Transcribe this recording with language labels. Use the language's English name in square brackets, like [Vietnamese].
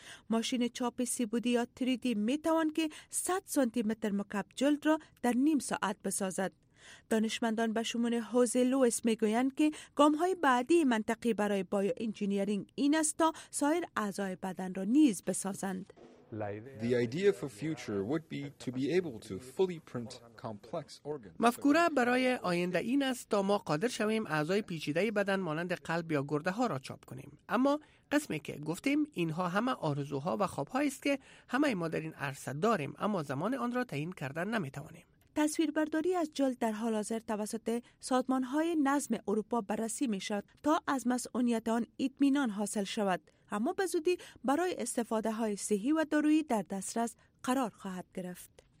[Persian] ماشین چاپ سیبودی یا 3D می توان که 100 سانتی متر مکعب جلد را در نیم ساعت بسازد. دانشمندان به شمول حوزه لوئس می گویند که گام های بعدی منطقی برای بایو انجینیرینگ این است تا سایر اعضای بدن را نیز بسازند. [English] The idea for future would be to be able to fully print complex organs. [Persian] مفکوره برای آینده این است تا ما قادر شویم اعضای پیچیده بدن مانند قلب یا گرده ها را چاپ کنیم. اما قسمی که گفتیم اینها همه آرزوها و خوابهایی است که همه ما در این عرصه داریم، اما زمان آن را تعیین کردن نمی توانیم. تصویربرداری از جلد در حال حاضر توسط سازمان‌های نظم اروپا بررسی می‌شود تا از مسئولیت آن اطمینان حاصل شود، اما به زودی برای استفاده‌های صحی و دارویی در دسترس قرار خواهد گرفت.